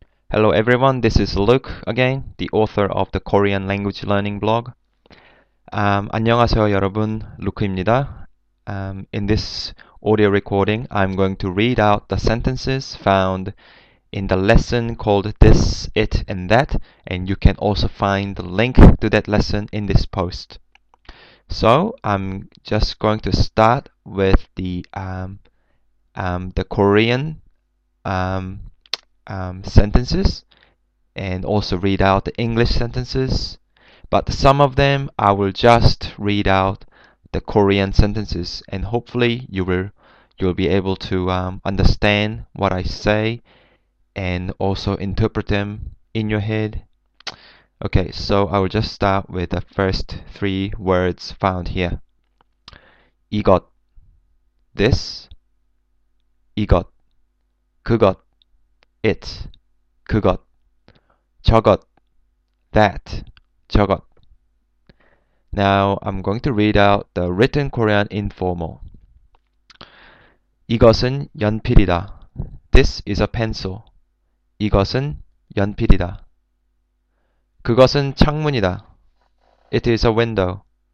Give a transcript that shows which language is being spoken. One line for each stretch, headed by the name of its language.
English: Hello everyone, this is Luke again, the author of the Korean Language Learning Blog.
Korean: 안녕하세요 여러분, 루크입니다.
English: In this audio recording, I'm going to read out the sentences found in the lesson called This, It, and That, and you can also find the link to that lesson in this post. So, I'm just going to start with the Korean sentences and also read out the English sentences, but some of them I will just read out the Korean sentences, and hopefully you'll be able to understand what I say and also interpret them in your head. Okay, so I will just start with the first three words found here.
Korean: 이것, this. 이것, 그것. It, 그것, 저것, that, 저것.
English: Now I'm going to read out the written Korean informal.
Korean: 이것은 연필이다.
English: This is a pencil.
Korean: 이것은 연필이다. 그것은 창문이다.
English: It is a window.